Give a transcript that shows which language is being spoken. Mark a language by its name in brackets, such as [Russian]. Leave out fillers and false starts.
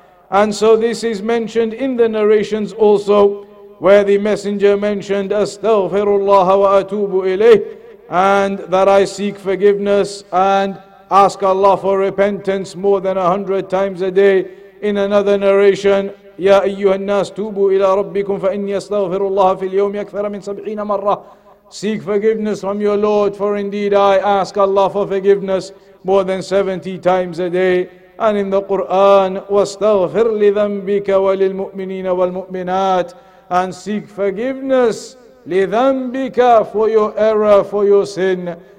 [English] And so this is mentioned in the narrations also, where the messenger mentioned, Astaghfirullah wa atubu ilayh, and that I seek forgiveness and ask Allah for repentance more than 100 times a day. In another narration, [Arabic] يا أيها الناس توبوا إلى ربكم فإني أستغفر الله في اليوم أكثر من 70 مرة. [English] Seek forgiveness from your Lord, for indeed I ask Allah for forgiveness more than 70 times a day. And in the Quran, [Arabic] واستغفر لذنبك وللمؤمنين والمؤمنات. [English] And seek forgiveness لذنبك, for your error, for your sin.